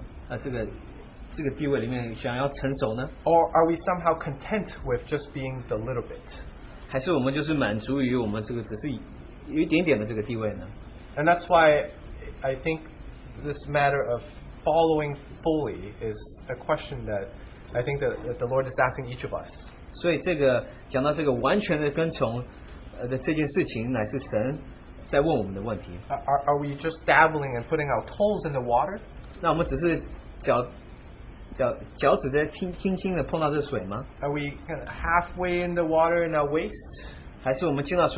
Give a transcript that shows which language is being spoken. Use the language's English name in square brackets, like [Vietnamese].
[Chinese] 那我们是否真的愿意进入这个地位里面想要成熟呢? [English] Or are we somehow content with just being the little bit? [Chinese] 还是我们就是满足于我们这个只是有一点点的这个地位呢? [English] And that's why I think this matter of following fully is a question that I think that the Lord is asking each of us. [Chinese] 所以这个讲到这个完全的跟从的这件事情，乃是神在问我们的问题。 [English] Are we just dabbling and putting our toes in the water? [Chinese] 那我们只是脚趾在轻轻的碰到这水吗？ [English] Are we halfway in the water in our waist?